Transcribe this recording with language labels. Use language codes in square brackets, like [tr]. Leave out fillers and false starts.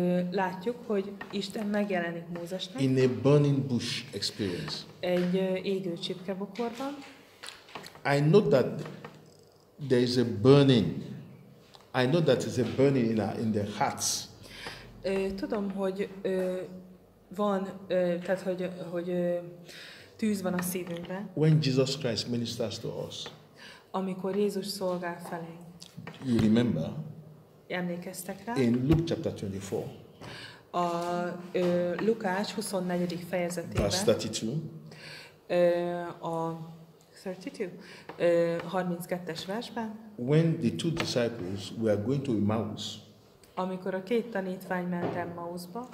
[hu] Látjuk, hogy Isten megjelenik Mózesnek. [en] In a burning bush experience. [hu] Egy égő csipkebokorban. [en] I know that there is a burning. I know that it's a burning in their hearts. [hu] Tudom, hogy van, tehát hogy tűz van a szívünkben. [en] When Jesus Christ ministers to us. [hu] Amikor Jézus szolgál felénk. [en] You remember? [hu] Emlékeztek rá? [en] In Luke chapter 24. [hu] A Lukács 24. fejezetében. [en] Verse 32. [hu] A 32. 32-es versben. [en] When the two disciples were going to Emmaus. [hu] Amikor a két tanítvány ment Emmausba.